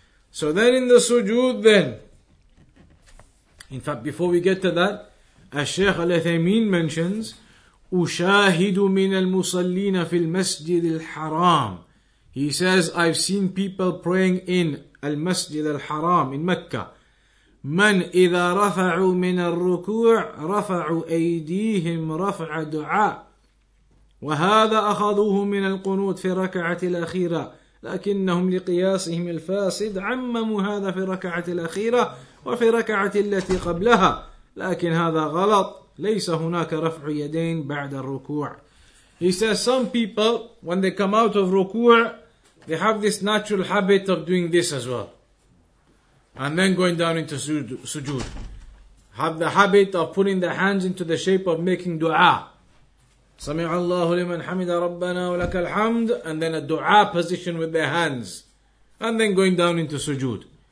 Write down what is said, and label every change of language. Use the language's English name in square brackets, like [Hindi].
[English] So then in the sujood then, in fact, before we get to that, Shaykh Uthaymeen mentions, [Arabic] أُشَاهِدُ مِنَ الْمُصَلِّينَ فِي الْمَسْجِدِ الْحَرَامِ. [English] He says, I've seen people praying in المسجد الحرام, in Mecca. [Arabic] مَنْ إِذَا رَفَعُوا مِنَ الرُّكُوعِ رَفَعُوا أَيْدِيهِمْ رَفْعَ دُعَاءِ وَهَذَا أَخَذُوهُ مِنَ الْقُنُوتِ فِي رَكَعَةِ الْأَخِيرَةِ لَكِنَّهُمْ لِقِيَاسِهِمْ الْفَاسِدْ عَمَّمُوا هَذَا فِي رَكَعَةِ الْأَخِيرَةِ وفي ركعة التي قبلها لكن هذا غلط ليس هناك رفع يدين بعد الركوع. [English] He says some people when they come out of ruku', they have this natural habit of doing this as well and then going down into sujood, have the habit of putting their hands into the shape of making dua, [Arabic] سمع الله لمن حمد ربنا ولك الحمد, [English] and then a dua position with their hands and then going down into sujood.